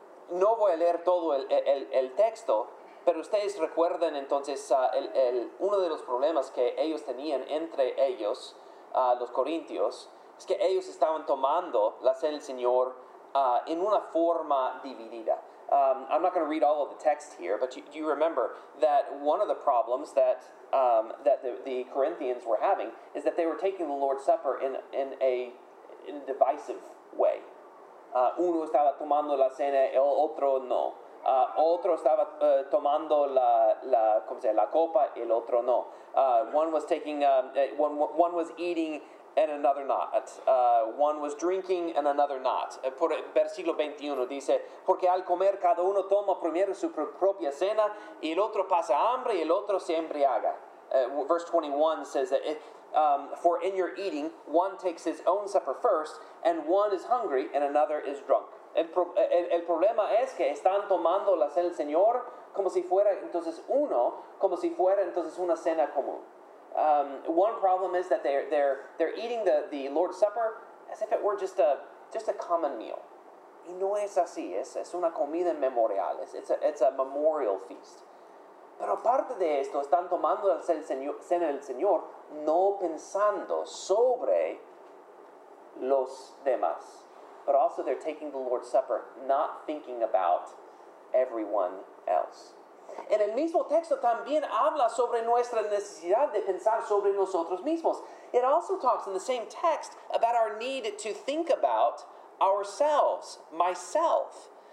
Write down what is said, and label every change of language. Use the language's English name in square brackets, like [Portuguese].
[Spanish] No voy a leer todo el texto, pero ustedes recuerdan entonces uno de los problemas que ellos tenían entre ellos, los corintios, es que ellos estaban tomando la cena del Señor en una forma dividida. [English] I'm not going to read all of the text here, but you remember that one of the problems that that the Corinthians were having is that they were taking the Lord's Supper in a divisive way. [Spanish] Uno estaba tomando la cena, el otro no. Otro estaba tomando la copa, el otro no. [English] One was taking one was eating and another not. One was drinking and another not. [Spanish] Por el versículo 21 dice, porque al comer cada uno toma primero su propia cena, y el otro pasa hambre, y el otro se embriaga. [English] Verse 21 says that, for in your eating, one takes his own supper first, and one is hungry, and another is drunk. [Spanish] El problema es que están tomando la cena del Señor como si fuera entonces uno, como si fuera entonces una cena común. [English] One problem is that they're eating the Lord's Supper as if it were just a common meal. [Spanish] Y no es así, es una comida memorial, [English] it's a memorial feast. [Spanish] Pero aparte de esto, están tomando la cena del Señor no pensando sobre los demás. [English] But also they're taking the Lord's Supper not thinking about everyone else. [Spanish] En el mismo texto también habla sobre nuestra necesidad de pensar sobre nosotros mismos. [English] It also talks in the same text about our need to think about ourselves, myself.